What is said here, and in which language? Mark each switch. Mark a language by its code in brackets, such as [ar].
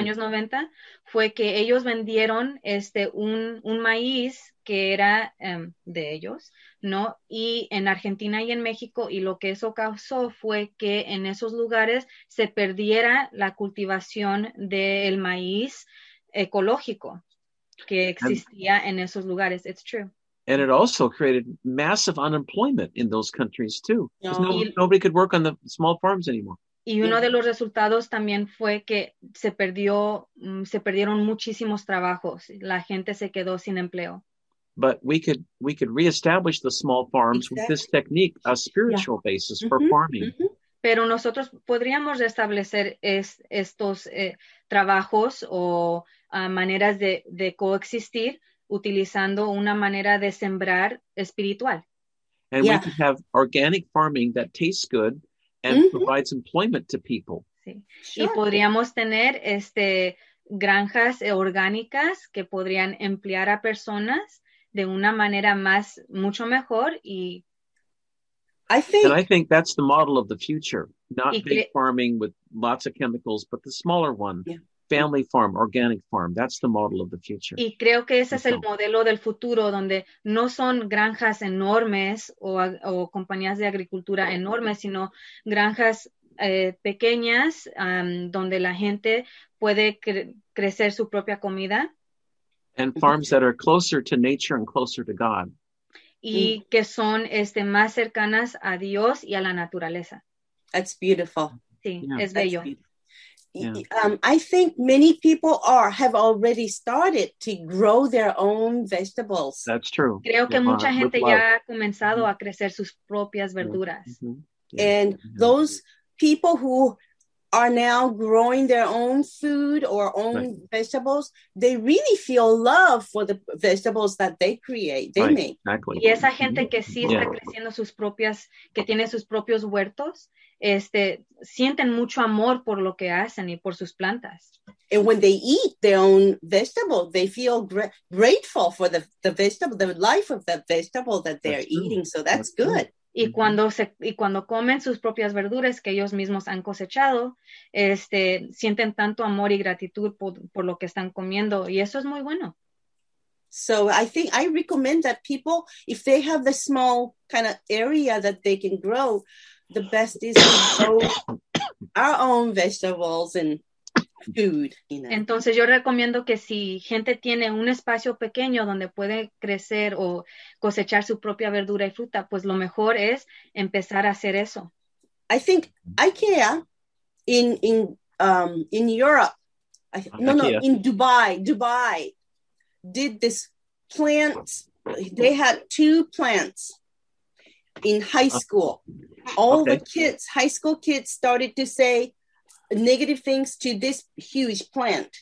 [es] años 90, fue que ellos vendieron este un maíz que era de ellos, ¿no? Y en Argentina y en México, y lo que eso causó fue que en esos lugares se perdiera la cultivación del maíz ecológico que existía en esos lugares. [en] It's true. And it also created massive unemployment in those countries too. Because nobody could work on the small farms anymore. [es] Y uno de los resultados también fue que se perdieron muchísimos trabajos. La gente se quedó sin empleo. [en] But we could reestablish the small farms Exactly. with this technique, a spiritual Yeah. basis for farming. Mm-hmm. [es] Pero nosotros podríamos restablecer estos trabajos o maneras de coexistir. Utilizando una manera de sembrar espiritual. [en] And yeah. we could have organic farming that tastes good and mm-hmm. provides employment to people. [es] Sí. [en] Sure. [es] Y podríamos tener este granjas orgánicas que podrían emplear a personas de una manera más mucho mejor y [en] I think that's the model of the future, not big farming with lots of chemicals, but the smaller one. Yeah. Family farm, organic farm, that's the model of the future. [es] Y creo que ese es el modelo del futuro, donde no son granjas enormes o compañías de agricultura enormes, sino granjas pequeñas donde la gente puede crecer su propia comida. [en] And farms that are closer to nature and closer to God. [es] Y que son este, más cercanas a Dios y a la naturaleza. [en] That's beautiful. [es] Sí, [en] yeah, [es] es bello. [en] Yeah. I think many people have already started to grow their own vegetables. That's true. [es] Creo que mucha gente ya ha comenzado mm-hmm. a crecer sus propias verduras. Mm-hmm. Yeah. [en] And yeah. those people who are now growing their own food or own right. vegetables, they really feel love for the vegetables that they create, they right. make. Exactly. [es] Y esa gente que sí [en] yeah. [es] está creciendo sus propias, que tiene sus propios huertos, este, sienten mucho amor por lo que hacen y por sus plantas. [en] And when they eat their own vegetable, they feel grateful for the vegetable, the life of the vegetable that they're that's eating. True. So that's true. Good. [es] Y cuando comen sus propias verduras que ellos mismos han cosechado, este, sienten tanto amor y gratitud por lo que están comiendo. Y eso es muy bueno. [en] So I think I recommend that people, if they have the small kind of area that they can grow, the best is to grow our own vegetables and food. You know? [es] Entonces yo recomiendo que si gente tiene un espacio pequeño donde puede crecer o cosechar su propia verdura y fruta, pues lo mejor es empezar a hacer eso. [en] I think IKEA in Europe, Dubai did this plants. They had two plants in high school. All okay. the kids, high school kids, started to say negative things to this huge plant.